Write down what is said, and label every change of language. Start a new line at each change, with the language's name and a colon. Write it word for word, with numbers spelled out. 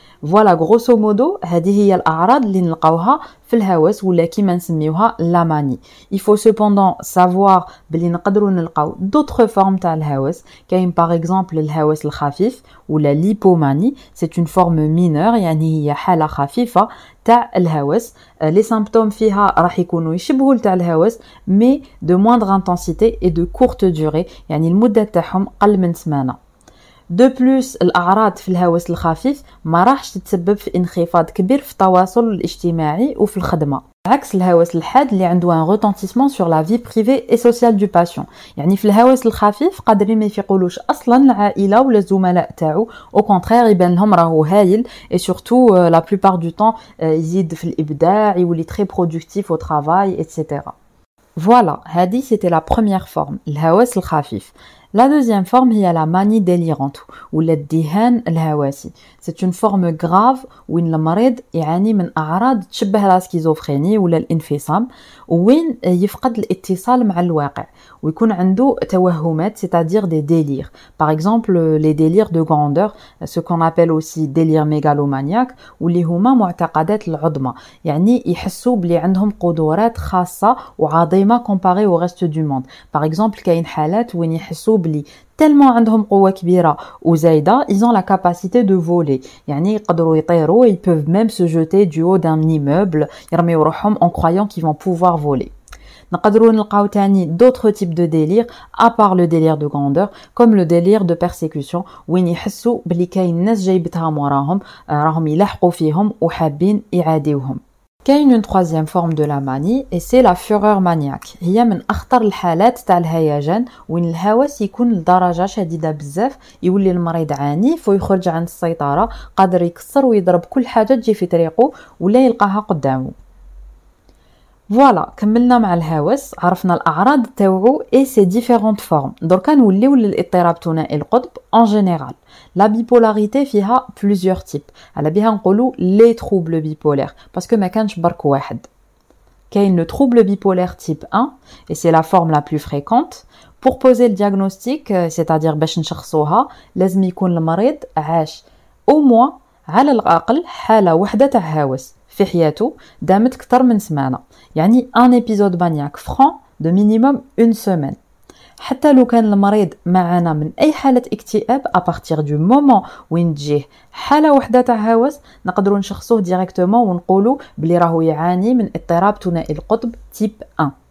Arabic: فوالا غروسو مودو هذه هي الأعراض اللي نلقاوها في الهوس ولا كيما نسميوها لاماني.
French: Il faut cependant savoir
Arabic: بلي نقدروا نلقاو
French: d'autres formes
Arabic: تاع الهوس. كاين
French: par exemple
Arabic: الهوس الخفيف ولا ليبوماني،
French: c'est une forme mineure
Arabic: يعني هي حالة خفيفة تاع الهوس.
French: Les symptômes
Arabic: فيها راح يكونوا يشبهوا تاع الهوس
French: mais de moindre intensité et de courte durée
Arabic: يعني المدة تاعهم قل من سمانة.
French: دو بلوس
Arabic: الأعراض في الهوس الخفيف ما راحش تتسبب في انخفاض كبير في التواصل الاجتماعي وفي الخدمة، عكس الهوس الحاد اللي عنده
French: ان روتونتيسمون سور لا في بريفي اي سوسيال دو باسيون.
Arabic: يعني في الهوس الخفيف قادرين ما يفيقولوش اصلا العائله ولا الزملاء تاعو،
French: او كونترير
Arabic: يبان لهم راهو هايل
French: اي سورتو لا بلوبار دو طون
Arabic: يزيد في الابداع ويولي
French: تري برودكتيف او ترافاي ايتترا. Voilà,
Arabic: هذه
French: c'était la première forme,
Arabic: الهوس الخفيف.
French: La deuxième forme
Arabic: هي
French: la manie délirante
Arabic: ولا الدهان الهواسي.
French: C'est une forme grave
Arabic: وين المريض يعاني من أعراض تشبه لا سكيزوفريني ولا الانفصام، وين يفقد الاتصال مع الواقع ويكون عنده توهمات
French: c'est-à-dire des délires. Par exemple les délires de grandeur, ce qu'on appelle aussi délire mégalomaniaque
Arabic: واللي هما معتقدات العظمى، يعني يحسوا بلي عندهم قدرات خاصة وعظيمة
French: comparé au reste du monde. Par exemple
Arabic: كاين حالات وين يحسوا بلي
French: tellement
Arabic: عندهم قوة كبيرة وزايدة
French: ils ont la capacité de voler
Arabic: يعني يقدروا يطيروا،
French: ils peuvent même se jeter du haut d'un immeuble
Arabic: يرميوا روحهم
French: en croyant qu'ils vont pouvoir voler.
Arabic: نقدروا نلقاو تاني
French: d'autres types de délires à part le délire de grandeur comme le délire de persécution
Arabic: وين يحسوا بلي كاين ناس جايبتها موراهم راهم يلحقوا فيهم وحابين يعاديوهم. كاين
French: une troisième forme de la manie et c'est la fureur maniaque.
Arabic: هي من أخطر الحالات تاع الهيجان وين الهوس يكون لدرجة شديدة بزاف يولي المريض عنيف ويخرج عن السيطرة، قادر يكسر ويضرب كل حاجة تجي في طريقه ولا يلقاها قدامه. فوالا كملنا مع الهوس، عرفنا الأعراض تاوعو
French: et ses différentes formes.
Arabic: دركا نوليو للاضطراب ثنائي القطب
French: en général. La bipolarité
Arabic: فيها
French: plusieurs types.
Arabic: على بها نقولو
French: les troubles bipolaires
Arabic: باسكو ما كانش برك واحد.
French: كاين le trouble bipolaire type un et c'est la forme la plus fréquente. Pour poser le diagnostic, c'est-à-dire
Arabic: باش نشخصوها، لازم يكون المريض عاش
French: au moins
Arabic: على الأقل حالة وحدة تاع هوس في حياته دامت كتر من سمانة، يعني
French: un épisode maniaque franc de minimum une semaine.
Arabic: حتى لو كان المريض معنا من أي حالة اكتئاب
French: à partir du moment
Arabic: وين تجيه حالة وحدة تاع هوس نقدروا نشخصوه ديريكتومون ونقولوا بلي راهو يعاني من اضطراب ثنائي القطب تيب un.